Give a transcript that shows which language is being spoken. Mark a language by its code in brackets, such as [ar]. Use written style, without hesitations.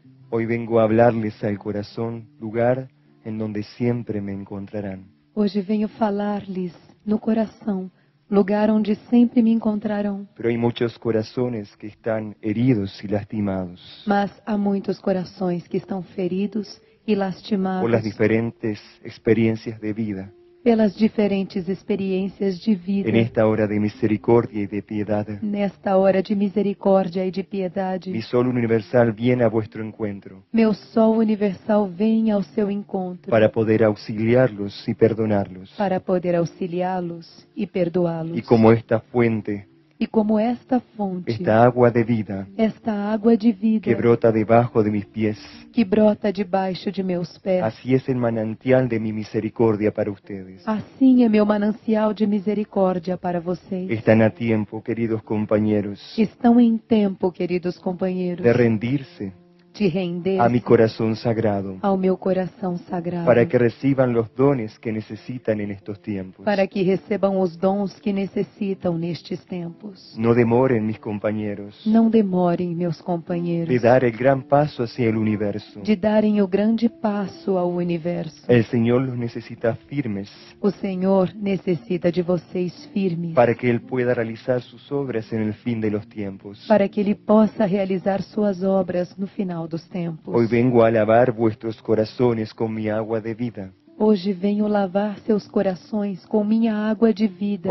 [es] Hoy vengo a hablarles al corazón, lugar en donde siempre me encontrarán. [pt] Hoje venho falar-lhes no coração, lugar onde sempre me encontrarão. [es] Pero hay muchos corazones que están heridos y lastimados. [pt] Mas há muitos corações que estão feridos e lastimados. [es] Por las diferentes experiencias de vida. [pt] Pelas diferentes experiências de vida. [es] En esta hora de misericordia y de piedad. [pt] Nesta hora de misericórdia e de piedade. [es] Mi sol universal viene a vuestro encuentro. [pt] Meu sol universal vem ao seu encontro. [es] Para poder auxiliarlos y perdonarlos. [pt] Para poder auxiliá-los e perdoá-los. [es] Y como esta fuente. [pt] E como esta fonte. [es] Esta agua de vida. [pt] Esta água de vida. [es] Que brota debajo de mis pies. [pt] Que brota debaixo de meus pés. [es] Así es el manantial de mi misericordia para ustedes. [pt] Assim é meu manancial de misericórdia para vocês. [es] Están a tiempo, queridos compañeros. [pt] Estão em tempo, queridos companheiros. [es] De rendirse. [pt] De render. [es] A mi corazón sagrado. [pt] Ao meu coração sagrado. [es] Para que reciban los dones que necesitan en estos tiempos. [pt] Para que recebam os dons que necessitam nestes tempos. [es] No demoren mis compañeros. [pt] Não demorem meus companheiros. [es] De dar el gran paso hacia el universo. [pt] De darem o grande passo ao universo. [es] El Señor los necesita firmes. [pt] O Senhor necessita de vocês firmes. [es] Para que él pueda realizar sus obras en el fin de los tiempos. [pt] Para que ele possa realizar suas obras no final. [es] Hoy vengo a lavar vuestros corazones con mi agua de vida. [pt] Hoje venho lavar seus corações com minha água de vida.